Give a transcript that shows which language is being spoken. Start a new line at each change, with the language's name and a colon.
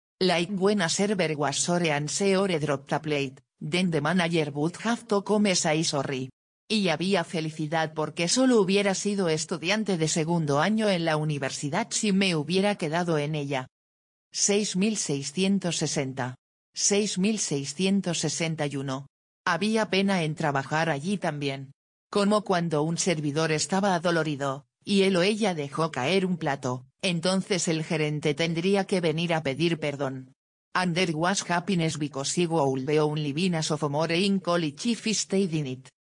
English: Like when a server was sorry and se ore dropped a plate, then the manager would have to come say sorry.
Spanish: Y había felicidad porque solo hubiera sido estudiante de segundo año en la universidad si me hubiera quedado en ella.
English: 6660. 6661.
Spanish: Había pena en trabajar allí también. Como cuando un servidor estaba adolorido, y él o ella dejó caer un plato. Entonces el gerente tendría que venir a pedir perdón.
English: And there was happiness because he would be only been a sophomore in college if he stayed in it.